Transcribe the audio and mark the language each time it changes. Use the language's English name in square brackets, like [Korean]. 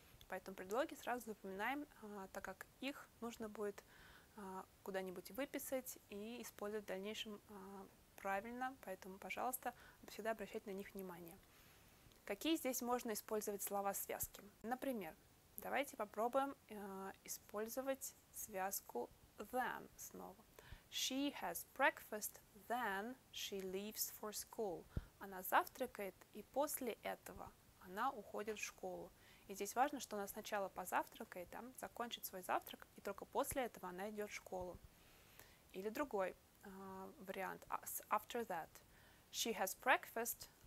[Russian] Поэтому предлоги сразу запоминаем, так как их нужно будет куда-нибудь выписать и использовать в дальнейшем правильно. Поэтому, пожалуйста, всегда обращайте на них внимание. Какие здесь можно использовать слова-связки? Например, давайте попробуем использовать связку than снова. [English] She has breakfast, then she leaves for school. [Russian] Она завтракает, и после этого она уходит в школу. И здесь важно, что она сначала позавтракает, там, закончит свой завтрак, и только после этого она идет в школу. Или другой вариант. [English] After that. She has breakfast.